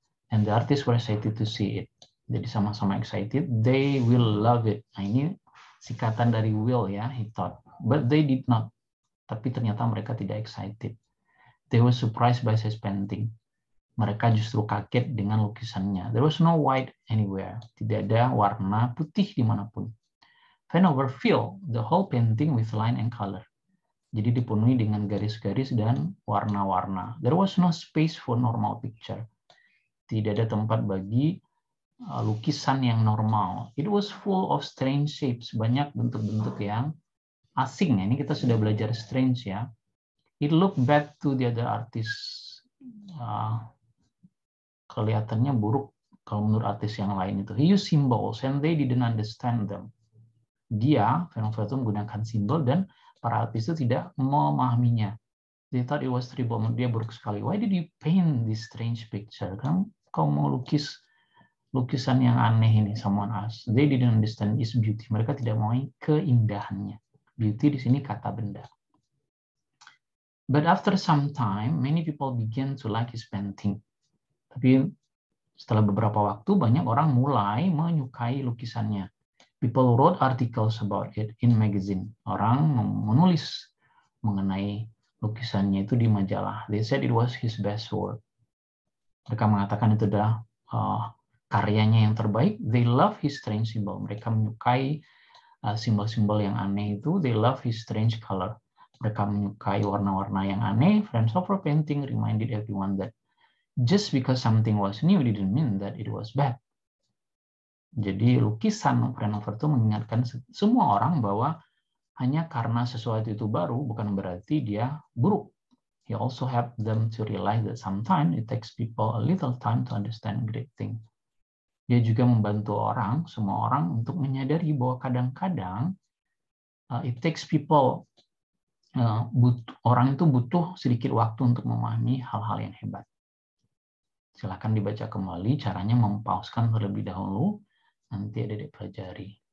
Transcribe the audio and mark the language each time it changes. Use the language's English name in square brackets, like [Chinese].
[English] And the artists were excited to see it. [Indonesian] Jadi sama-sama excited. [English] They will love it. [Indonesian] Nah, ini singkatan dari will ya, [English] he thought. But they did not. [Indonesian] Tapi ternyata mereka tidak excited. [English] They were surprised by his painting. [Indonesian] Mereka justru kaget dengan lukisannya. [English] There was no white anywhere. [Indonesian] Tidak ada warna putih dimanapun. [English] Vanover filled the whole painting with line and color. [Indonesian] Jadi dipenuhi dengan garis-garis dan warna-warna. [English] There was no space for normal picture. [Indonesian] Tidak ada tempat bagi lukisan yang normal. [English] It was full of strange shapes. [Indonesian] Banyak bentuk-bentuk yang asing. Ini kita sudah belajar strange ya. [English] It looked bad to the other artists. [Indonesian] Kelihatannya buruk kalau menurut artis yang lain itu. [English] He used symbols and they didn't understand them. [Indonesian] Dia, Vanover itu menggunakan simbol dan para artis itu tidak memahaminya. [English] They thought it was terrible. [Indonesian] Dia buruk sekali. [English] Why did you paint this strange picture? [Indonesian] Kan kau mau lukis lukisan yang aneh ini, [English] someone asked. They didn't understand its beauty. [Indonesian] Mereka tidak mau keindahannya. Beauty di sini kata benda. [English] But after some time, many people began to like his painting. [Indonesian] Tapi setelah beberapa waktu, banyak orang mulai menyukai lukisannya. [English] People wrote articles about it in magazine. [Indonesian] Orang menulis mengenai lukisannya itu di majalah. [English] They said it was his best work. [Indonesian] Mereka mengatakan itu adalah karyanya yang terbaik. [English] They love his strange symbol. [Indonesian] Mereka menyukai simbol-simbol yang aneh itu. [English] They love his strange color. [Indonesian] Mereka menyukai warna-warna yang aneh. [English] Vanover painting reminded everyone that just because something was new didn't mean that it was bad. [Indonesian] Jadi lukisan Vanover itu mengingatkan semua orang bahwa hanya karena sesuatu itu baru bukan berarti dia buruk. [English] He also helped them to realize that sometimes it takes people a little time to understand great things. [Indonesian] Dia juga membantu orang, semua orang untuk menyadari bahwa kadang-kadang [English] it takes people [Indonesian] orang itu butuh sedikit waktu untuk memahami hal-hal yang hebat. Silakan dibaca kembali, caranya mempauskan terlebih dahulu, nanti ada dipelajari.